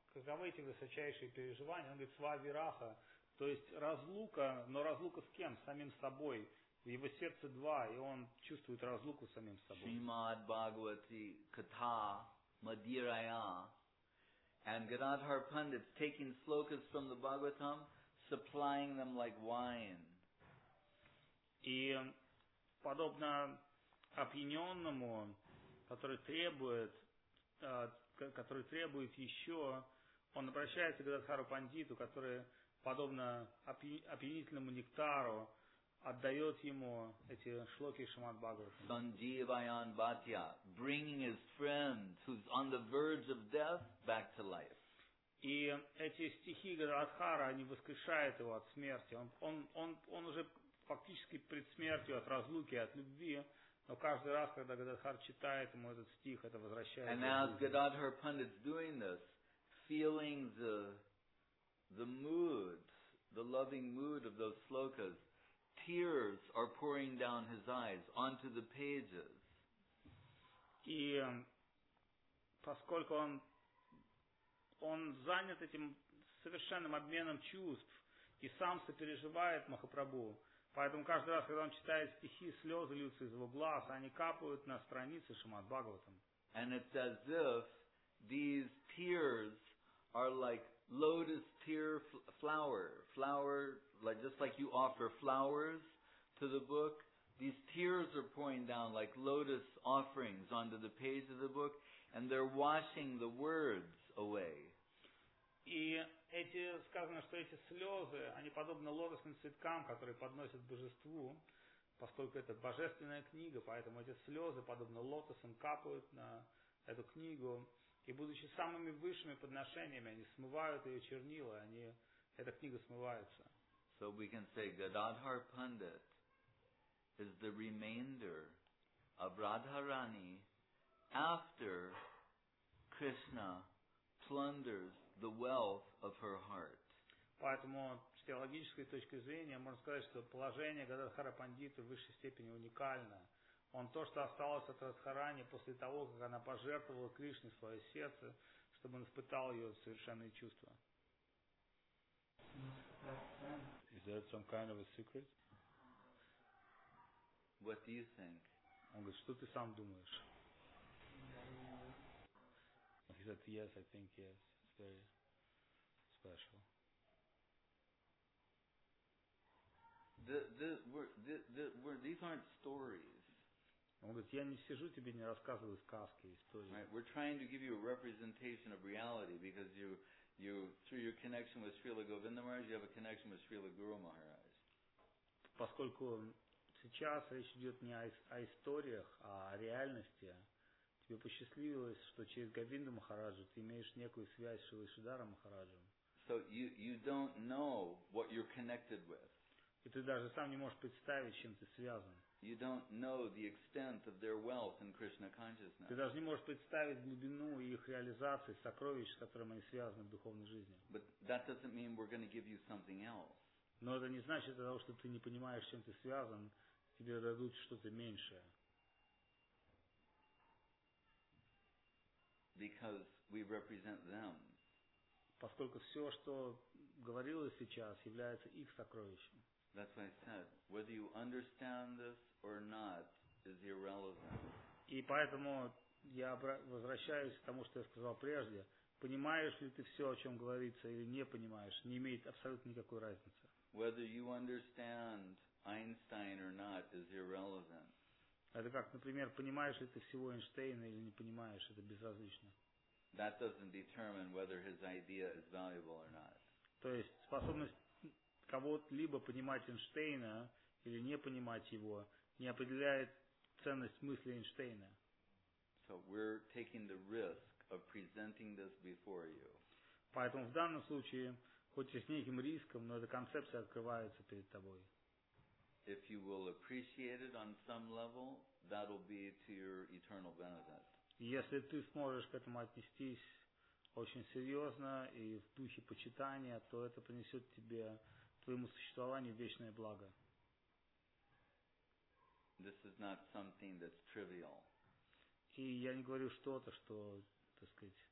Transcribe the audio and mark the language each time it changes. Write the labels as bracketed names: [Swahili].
[Russian] Каковы эти высочайшие переживания? Он говорит, свавираха, то есть разлука, но разлука с кем? С самим собой. В его сердце два, и он чувствует разлуку с самим собой. [Sanskrit] Шримад Бхагавати Ката Мадирая. [English] And Gadadhar Pandit taking slokas from the Bhagavatam, supplying them like wine. [Russian] И подобно опьяненному, который требует еще, он обращается к Гададхару Пандиту, который подобно опьянительному нектару отдает ему эти шлоки Шримад Бхагаватам. [Sanskrit] Sanjeevayan Bhatiya, [English] bringing his friend who's on the verge of death back to life. [Russian] И эти стихи Гададхара, они воскрешают его от смерти. Он уже фактически пред смертью от разлуки, от любви, но каждый раз, когда Гададхар читает ему этот стих, это возвращает его. [English] And as Gadadhar Pandit's doing this, feeling the mood, the loving mood of those slokas, tears are pouring down his eyes onto the pages. [Russian] И поскольку он занят этим совершенным обменом чувств и сам сопереживает Махапрабху, поэтому каждый раз, когда он читает стихи, слезы льются из его глаз, они капают на страницы Шримад Бхагаватам. [English] And it's as if these tears are like lotus tear flower, like just like you offer flowers to the book, these tears are pouring down like lotus offerings onto the page of the book, and they're washing the words away. [Russian] И эти, сказано, что эти слезы, они подобны лотосным цветкам, которые подносят божеству, поскольку это божественная книга, поэтому эти слезы, подобно лотосам, капают на эту книгу, и будучи самыми высшими подношениями, они смывают ее чернила, они, эта книга смывается. [English] So we can say Gadadhar Pandit is the remainder of Radharani after Krishna plunders the wealth of her heart. [Russian] Поэтому с теологической точки зрения можно сказать, что положение Гададхара Пандиты в высшей степени уникально. Он то, что осталось от Радхарани после того, как она пожертвовала Кришне свое сердце, чтобы он испытал ее совершенные чувства. [English] Is that some kind of a secret? What do you think? [Russian] Он говорит, что ты сам думаешь? [English] He said, yes, I think yes. It's very special. These aren't stories. [Russian] Он говорит, я не сижу тебе, не рассказываю сказки, истории. [English] Right, we're trying to give you a representation of reality because you through your connection with Srila Govinda Maharaj, you have a connection with Srila Guru Maharaj. [Russian] Поскольку сейчас речь идет не о историях, а о реальности. Тебе посчастливилось, что через Говинду Махараджу ты имеешь некую связь с Вишудара Махараджем. [English] So you don't know what you're connected with. [Russian] И ты даже сам не можешь представить, чем ты связан. [English] You don't know the extent of their wealth in Krishna consciousness. [Russian] Ты даже не можешь представить глубину их реализации сокровищ, с которыми они связаны в духовной жизни. [English] But that doesn't mean we're going to give you something else. [Russian] Но это не значит того, что ты не понимаешь, чем ты связан, тебе дадут что-то меньшее. [English] Because we represent them. [Russian] Поскольку все, что говорилось сейчас, является их сокровищем. [English] That's why I said, whether you understand this or not is irrelevant. [Russian] И поэтому я возвращаюсь к тому, что я сказал прежде. Понимаешь ли ты все, о чем говорится, или не понимаешь, не имеет абсолютно никакой разницы. [English] Whether you understand Einstein or not is irrelevant. [Russian] Это как, например, понимаешь ли ты всего Эйнштейна или не понимаешь, это безразлично. [English] That doesn't determine whether his idea is valuable or not. [Russian] То есть способность кого-либо понимать Эйнштейна или не понимать его не определяет ценность мысли Эйнштейна. [English] So we're taking the risk of presenting this before you. [Russian] Поэтому в данном случае, хоть и с неким риском, но эта концепция открывается перед тобой. [English] If you will appreciate it on some level, that'll be to your eternal benefit. [Russian] Если ты сможешь к этому отнестись очень серьезно и в духе почитания, то это принесет тебе, твоему существованию, вечное благо. [English] This is not something that's trivial. [Russian] И я не говорю что-то, что, так сказать,